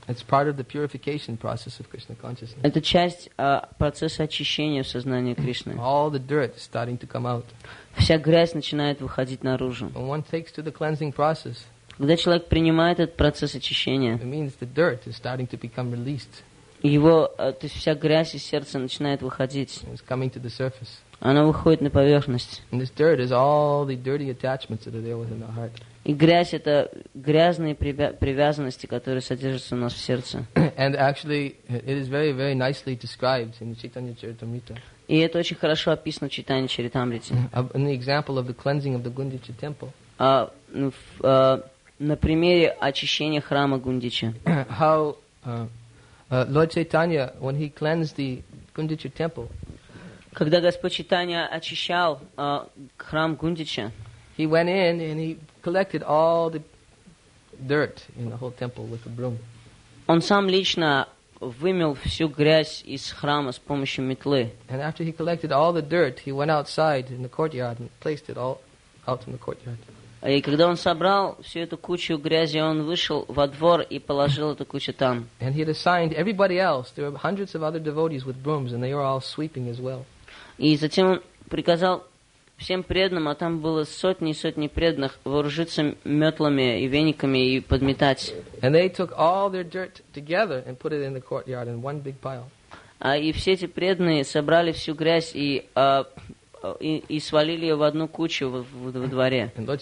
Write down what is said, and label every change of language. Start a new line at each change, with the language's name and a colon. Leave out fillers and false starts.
English: It's part of the purification process of Krishna consciousness.
Russian: Это часть процесса очищения в сознании Кришны.
English: All the dirt is starting to come out.
Russian: Вся грязь начинает выходить наружу.
English: When one takes to the cleansing process,
Russian: когда человек принимает этот процесс очищения,
English: it means the dirt is starting to become released.
Russian: Его, то есть вся грязь из сердца начинает выходить.
English: It's coming to the surface.
Russian: Она выходит на поверхность.
English: And this dirt is all the dirty attachments that are there within the heart.
Russian: И грязь — это грязные привязанности, которые содержатся у нас в сердце.
English: And actually, it is very, very nicely described in the Chaitanya Charitamrita.
Russian: И это очень хорошо описано в Чайтанье Чаритамрите.
English: In the example of the cleansing of the Гундича temple.
Russian: На примере очищения храма Гундича.
English: How Lord Chaitanya, when he cleansed the Гундича temple.
Russian: Когда Господь Чайтанья очищал храм Гундича.
English: He went in and he collected all the dirt in the whole temple with a broom.
Russian: Он сам лично вымел всю грязь из храма с помощью метлы.
English: And after he collected all the dirt, he went outside in the courtyard and placed it all out in the courtyard.
Russian: И когда он собрал всю эту кучу грязи, он вышел во двор и положил эту кучу там.
English: And he had assigned everybody else. There were hundreds of other devotees with brooms, and they were all sweeping as well.
Russian: И затем он приказал всем преданным, а там было сотни и сотни преданных, вооружиться метлами и вениками и подметать. И все эти преданные собрали всю грязь и свалили ее в одну кучу во дворе.